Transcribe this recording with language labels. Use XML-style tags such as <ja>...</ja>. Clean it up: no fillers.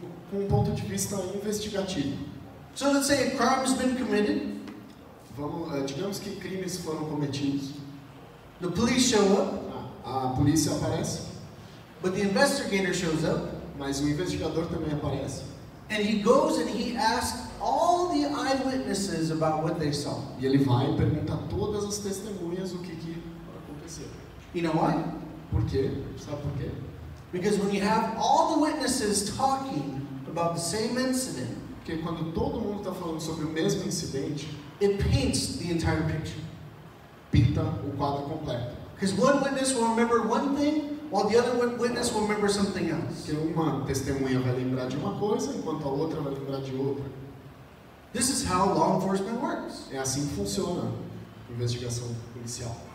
<pt>Com um ponto de vista investigativo.</pt> <en>So, let's say a crime has been committed.</en> <pt>Digamos que crimes foram cometidos.</pt> <en>The police show up.</en> <pt>A polícia aparece.</pt> <en>But the investigator shows up.</en> <pt>Mas o investigador também aparece.</pt> <en>And he goes and he asks all the eyewitnesses about what they saw.</en> <pt>E ele vai e pergunta a todas as testemunhas o que aconteceu.</pt> <en>You know why?</en> <pt>Por quê? Sabe por quê?</pt> <en>Because when you have all the witnesses talking about the same incident,</en> <pt>porque quando todo mundo está falando sobre o mesmo incidente,</pt> <en>it paints the entire picture.</en> <pt>Pinta o quadro completo.</pt> <en>Because one witness will remember one thing, while the other witness will remember something else.</en> <pt>Que uma testemunha vai lembrar de uma coisa, enquanto a outra vai lembrar de outra.</pt> <en>This is how law enforcement works.</en> <pt>É assim que funciona a investigação policial.</pt>